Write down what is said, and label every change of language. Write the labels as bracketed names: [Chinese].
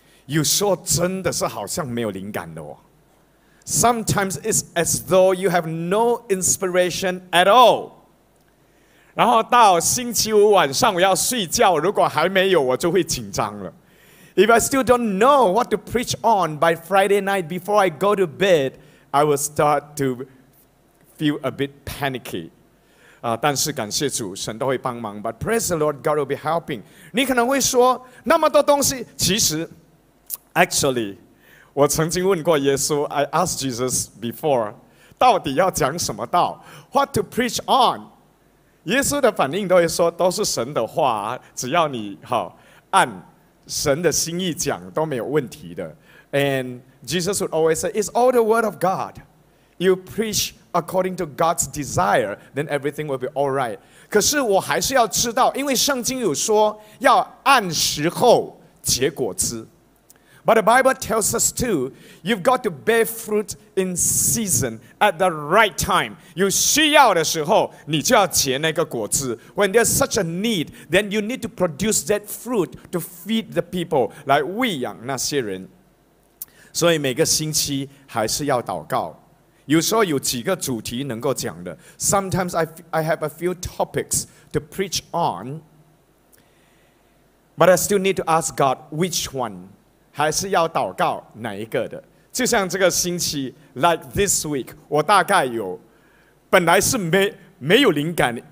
[Chinese] 有时候真的是好像没有灵感的哦。 [English] Sometimes it's as though you have no inspiration at all. [Chinese] 然后到星期五晚上我要睡觉，如果还没有，我就会紧张了。 [English] If I still don't know what to preach on by Friday night before I go to bed, I will start to feel a bit panicky. [Chinese] 但是感谢主神都会帮忙 [English] But praise the Lord, God will be helping. [Chinese] 你可能会说那么多东西其实 [English] Actually, [Chinese] 我曾经问过耶稣 [English] I asked Jesus before, [Chinese] 到底要讲什么道 [English] What to preach on? [Chinese] 耶稣的反应都会说都是神的话只要你按神的心意讲都没有问题的 [English] And Jesus would always say, It's all the word of God. You preach according to God's desire, then everything will be all right. [Chinese] 可是我还是要知道因为圣经有说要按时候结果子 [English] But the Bible tells us too, you've got to bear fruit in season at the right time. [Chinese] 有需要的时候你就要结那个果子。 [English] When there's such a need, then you need to produce that fruit to feed the people, [Chinese] 来喂养那些人。所以每个星期还是要祷告。有时候有几个主题能够讲的。 [English] Sometimes I have a few topics to preach on, but I still need to ask God which one. [Chinese] 还是要祷告哪一个的？就像这个星期 [English] like this week， [Chinese] 我大概有本来是 没有灵感。